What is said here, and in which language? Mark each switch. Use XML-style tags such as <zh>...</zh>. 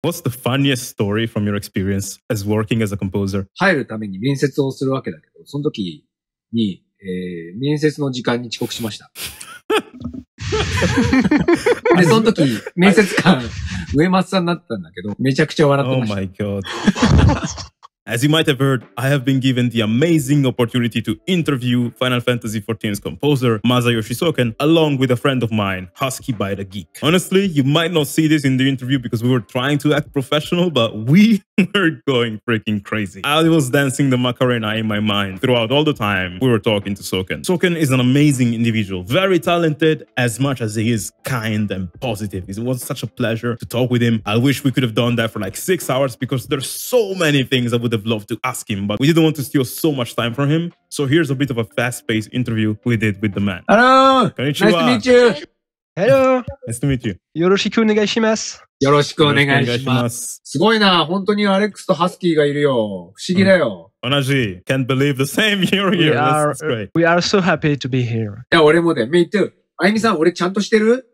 <en>What's the funniest story from your experience as working as a composer?</en> <ja>入るために面接をするわけだけど、その時に、面接の時間に遅刻しました。で、その時、面接官、上松さんになったんだけど、めちゃくちゃ笑ってました。</ja> <en>Oh my god. As you might have heard, I have been given the amazing opportunity to interview Final Fantasy XIV's composer, Masayoshi Soken, along with a friend of mine, Husky by the Geek. Honestly, you might not see this in the interview because we were trying to act professional, but we were going freaking crazy. I was dancing the Macarena in my mind throughout all the time we were talking to Soken. Soken is an amazing individual, very talented, as much as he is kind and positive. It was such a pleasure to talk with him. I wish we could have done that for like 6 hours because there's so many things would have loved to ask him, but we didn't want to steal so much time from him. So here's a bit of a fast-paced interview we did with the man. Hello! Konnichiwa. Nice to meet you! Hello! Nice to meet you.</en> <ja>よろしくお願いします。よろしくお願いします。すごいな、本当にアレックスとハスキーがいるよ。不思議だよ。</ja> <en>同じ。Can't believe the same you're here. That's great. We are so happy to be here.</en> <ja>いや、俺もで。</ja> <en>Me too.</en> <ja>あゆみさん、俺ちゃんとしてる？</ja>